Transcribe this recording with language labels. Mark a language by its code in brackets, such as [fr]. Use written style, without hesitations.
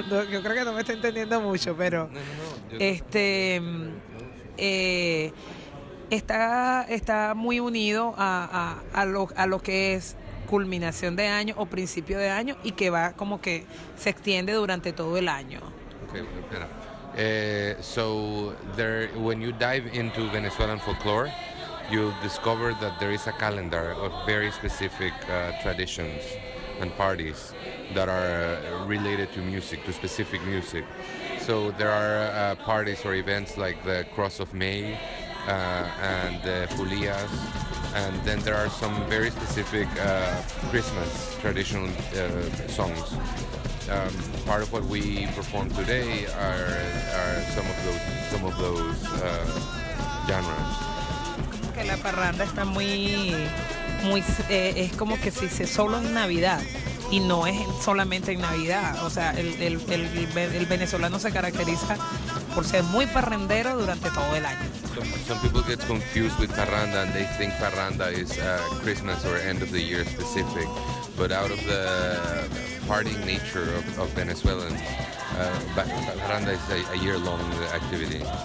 [es] Yo creo que no me está entendiendo mucho, pero está muy unido a lo que es culminación de año o principio de año, y que va como que se extiende durante todo el año. Okay, espera. [en] So there, when you dive into Venezuelan folklore, you discover that there is a calendar of very specific traditions and parties that are related to music, to specific music. So there are parties or events like the Cross of May and the Folias, and then there are some very specific Christmas traditional songs. Part of what we perform today are some of those genres. [es] Que la parranda está muy es como que se dice solo en Navidad, y no es solamente en Navidad. O sea, el venezolano se caracteriza por ser muy parrandero durante todo el año. [en] Some people get confused with parranda and they think parranda is Christmas or end of the year specific, but out of the partying nature of Venezuelans, parranda is a year-long activity.